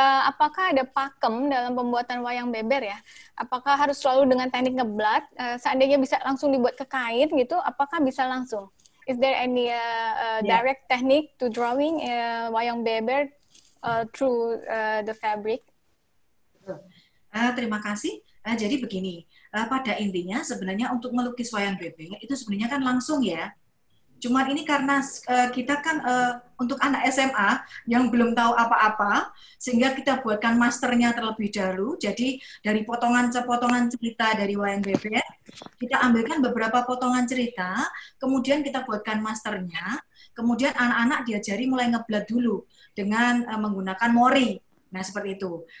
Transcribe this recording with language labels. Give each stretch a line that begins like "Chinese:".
Indonesian: Apakah ada pakem dalam pembuatan wayang beber ya? Apakah harus selalu dengan teknik ngeblat? Seandainya bisa langsung dibuat ke kain gitu, apakah bisa langsung?
English: Is there any direct technique to drawing wayang beber through the fabric?
Indonesian: Terima kasih. Jadi begini, pada intinya sebenarnya untuk melukis wayang beber itu sebenarnya kan langsung ya. Cuma ini karena kita kan untuk anak SMA yang belum tahu apa-apa, sehingga kita buatkan masternya terlebih dahulu. Jadi dari potongan-potongan cerita dari Wayang Beber, kita ambilkan beberapa potongan cerita, kemudian kita buatkan masternya, kemudian anak-anak diajari mulai ngeblat dulu dengan menggunakan mori. Nah, seperti itu.